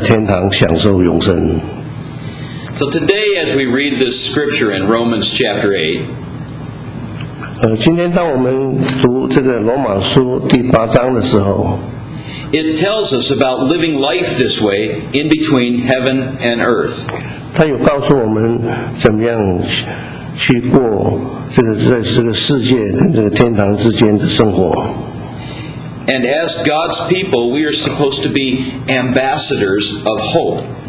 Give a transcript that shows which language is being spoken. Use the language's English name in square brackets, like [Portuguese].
[Chinese] 他说对这个已经死去的人，让我们都给他很多的颂赞，愿天堂跟他在一起，然后他会在天堂享受永生。 [English] So today as we read this scripture in Romans chapter 8 [Chinese] 今天当我们读这个罗马书第八章的时候 [English] It tells us about living life this way in between heaven and earth. [Chinese] 他有告诉我们怎么样去过这个世界跟这个天堂之间的生活。 [English] And as God's people, we are supposed to be ambassadors of hope.